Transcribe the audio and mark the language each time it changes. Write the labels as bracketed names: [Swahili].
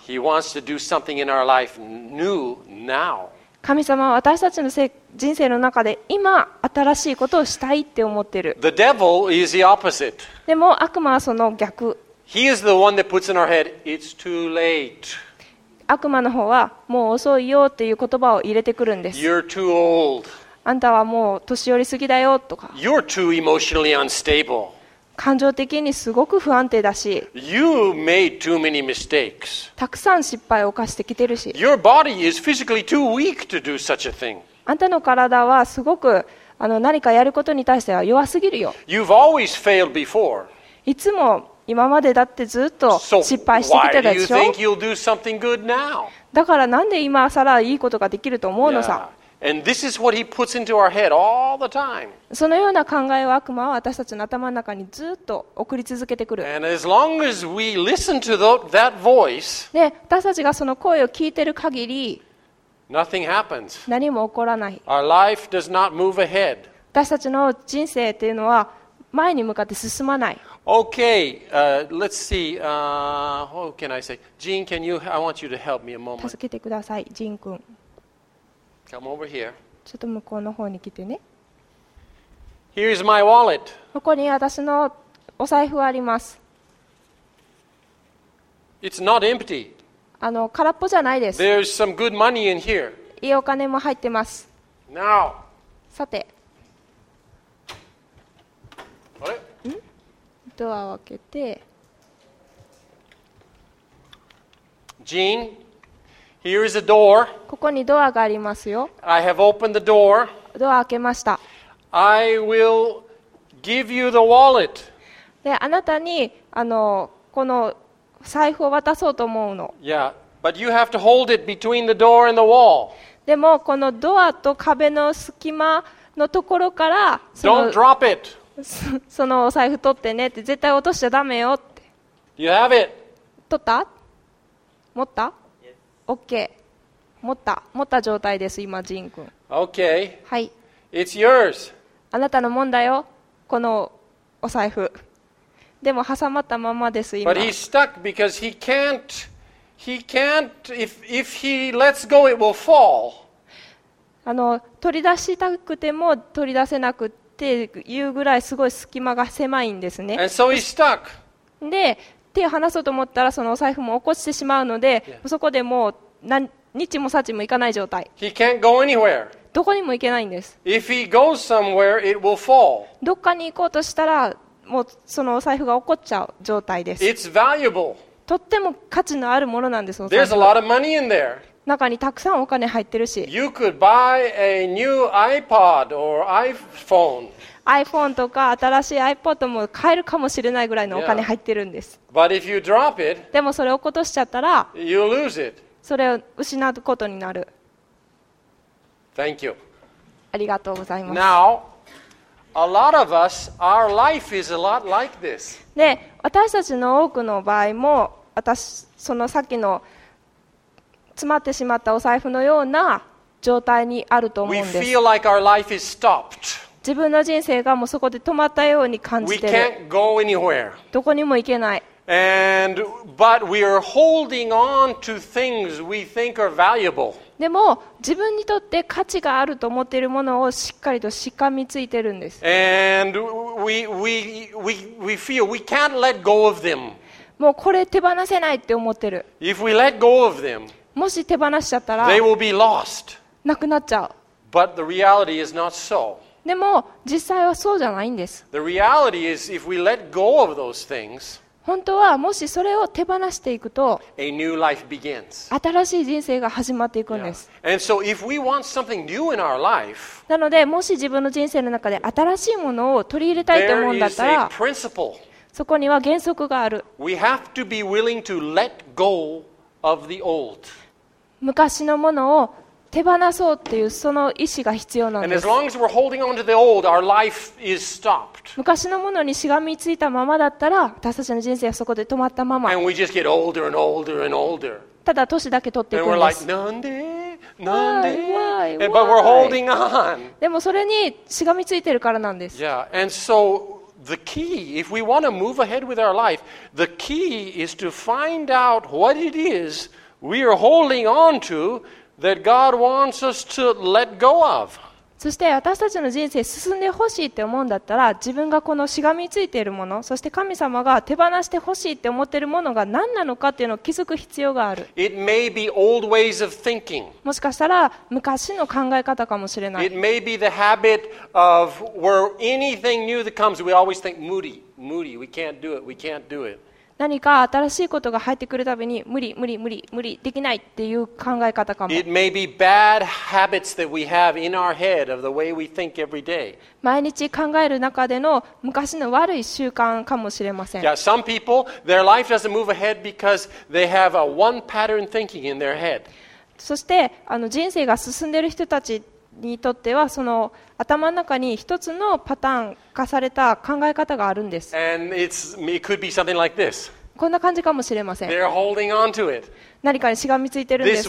[English] He wants to do something in our life new now. [Japanese] 神様は私たちの人生の中で今新しいことをしたいって思ってる。 [English] The devil is the opposite. [Japanese] でも悪魔はその逆。 [English] He is the one that puts in our head, it's too late. [Japanese] 悪魔の方はもう遅いよっていう言葉を入れてくるんです。 [English] You're too old. [Japanese] あんたはもう年寄りすぎだよとか。 [English] You're too emotionally unstable. [Japanese] 感情的にすごく不安定だし。 [English] You made too many mistakes. [Japanese] たくさん失敗を犯してきてるし。 [English] Your body is physically too weak to do such a thing. [Japanese] あんたの体はすごく何かやることに対しては弱すぎるよ。 [English] You've always failed before. [Japanese] いつも今までだってずっと失敗してきてたでしょ。 [English] So why do you think you'll do something good now? [Japanese] だからなんで今さらいいことができると思うのさ。 [English] Yeah. And this is what he puts into our head all the time. [Japanese] そのような考えを悪魔は私たちの頭の中にずっと送り続けてくる。 [English] And as long as we listen to that voice, [Japanese] ね、私たちがその声を聞いている限り、 [English] nothing happens. [Japanese] 何も起こらない。 [English] Our life does not move ahead. [Japanese] 私たちの人生というのは前に向かって進まない。 [English] Okay, let's see. What can I say? Jean, can you? I want you to help me a moment. [Japanese] 助けてください、ジン君。 [English] Come over here. [Japanese] ちょっと向こうの方に来てね。 [English] Here's my wallet. [Japanese] ここに私のお財布あります。 [English] It's not empty. [Japanese] 空っぽじゃないです。 [English] There's some good money in here. [Japanese] いいお金も入ってます。 [English] Now. [Japanese] さて。あれ？ん？ドアを開けて。 [English] Jean? Here is a door. [Japanese] ここにドアがありますよ。 [English] I have opened the door. [Japanese] ドア開けました。 [English] I will give you the wallet. [Japanese] で、あなたにこの財布を渡そうと思うの。 [English] Yeah, but you have to hold it between the door and the wall. [Japanese] でもこのドアと壁の隙間のところから、 [English] Don't drop it. [Japanese] そのお財布取ってねって絶対落としちゃダメよって。 [English] You have it. [Japanese] 取った？持った？ OK 持った状態です今ジン君。 [English] OK [Japanese] はい。 [English] It's yours. [Japanese] あなたのもんだよこのお財布。でも挟まったままです今。 [English] But he's stuck because he can't if he lets go it will fall. [Japanese] 取り出したくても取り出せなくっていうぐらいすごい隙間が狭いんですね。 [English] And so he's stuck. [Japanese] で手を離そうと思ったらそのお財布も落っこちてしまうのでそこでもう何日もさちも行かない状態。 [English] He can't go anywhere. [Japanese] どこにも行けないんです。 [English] If he goes somewhere, it will fall. [Japanese] どっかに行こうとしたらもうそのお財布が落っこっちゃう状態です。 [English] It's valuable. [Japanese] とっても価値のあるものなんです。 [English] There's a lot of money in there. [Japanese] 中にたくさんお金入ってるし。 [English] You could buy a new iPod or iPhone. [Japanese] iPhone とか新しい iPod も買えるかもしれないぐらいのお金入ってるんです。 [English] Yeah. But if you drop it, [Japanese] でもそれを落としちゃったら、 [English] you lose it. [Japanese] それを失うことになる。 [English] Thank you. [Japanese] ありがとうございます。 [English] Now, a lot of us, our life is a lot like this. [Japanese] で、私たちの多くの場合も、私、そのさっきの詰まってしまったお財布のような状態にあると思うんです。 [English] We feel like our life is stopped. [Japanese] 自分の人生がもうそこで止まったように感じてる。 [English] We can't go anywhere. [Japanese] どこにも行けない。 [English] And, but we are holding on to things we think are valuable. [Japanese] でも自分にとって価値があると思っているものをしっかりとしかみついてるんです。 [English] And we feel we can't let go of them. [Japanese] もうこれ手放せないって思ってる。 [English] If we let go of them, [Japanese] もし手放しちゃったら、 [English] they will be lost. [Japanese] なくなっちゃう。 [English] But the reality is not so. [Japanese] でも実際はそうじゃないんです。 [English] The reality is if we let go of those things, [Japanese] 本当はもしそれを手放していくと、 [English] a new life begins. [Japanese] 新しい人生が始まっていくんです。 [English] Yeah. And so if we want something new in our life, [Japanese] なのでもし自分の人生の中で新しいものを取り入れたいと思うんだったら、 [English] there is a principle. [Japanese] そこには原則がある。 [English] We have to be willing to let go of the old. [Japanese] 昔のものを手放そうっていうその意志が必要なんです。 [English] And as long as we're holding on to the old, our life is stopped. [Japanese] 昔のものにしがみついたままだったら私たちの人生はそこで止まったまま。 [English] And we just get older and older and older. [Japanese] ただ年だけ取っていくんです。 [English] And we're like, [Japanese] なんで？なんで？ [English] Why? Why? Why? But we're holding on. [Japanese] でもそれにしがみついてるからなんです。 [English] Yeah, and so the key, if we want to move ahead with our life, the key is to find out what it is we are holding on to that God wants us to let go of. [Japanese] そして私たちの人生進んでほしいって思うんだったら、自分がこのしがみついているもの、そして神様が手放してほしいって思っているものが何なのかっていうのを気づく必要がある。 [English] It may be old ways of thinking. [Japanese] もしかしたら昔の考え方かもしれない。 [English] It may be the habit of where anything new that comes, we always think moody, moody, we can't do it, we can't do it. [Japanese] 何か新しいことが入ってくるたびに無理無理無理無理できないっていう考え方かも。 [English] It may be bad habits that we have in our head of the way we think every day. [Japanese] 毎日考える中での昔の悪い習慣かもしれません。 [English] Yeah, some people, their life doesn't move ahead because they have a one pattern thinking in their head. [Japanese] そして人生が進んでいる人たちにとってはその頭の中に一つのパターン化された考え方があるんです。 [English] And it's, it could be something like this. [Japanese] こんな感じかもしれません。 [English] They're holding on to it. [Japanese] 何かにしがみついてるんです。